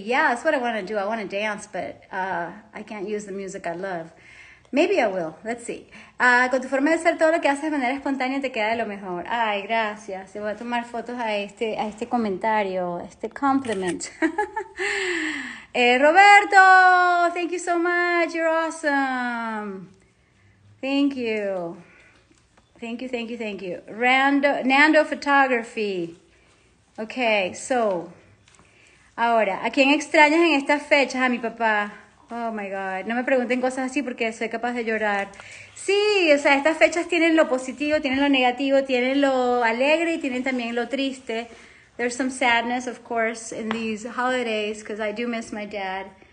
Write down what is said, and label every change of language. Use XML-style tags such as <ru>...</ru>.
<en>Yeah, that's what I want to do. I want to dance, but I can't use the music I love. Maybe I will. Let's see.</en> <es>Con tu forma de ser, todo lo que haces de manera espontánea te queda de lo mejor. Ay, gracias. Te voy a tomar fotos a este comentario, este compliment.</es> <en>Roberto, thank you so much. You're awesome. Thank you. Thank you, thank you, thank you. Nando Photography. Okay, so,</en> <es>ahora, ¿a quién extrañas en estas fechas? A mi papá.</es> <en>Oh, my God.</en> <es>No me pregunten cosas así porque soy capaz de llorar. Sí, o sea, estas fechas tienen lo positivo, tienen lo negativo, tienen lo alegre y tienen también lo triste.</es> <en>There's some sadness, of course, in these holidays because I do miss my dad.</en>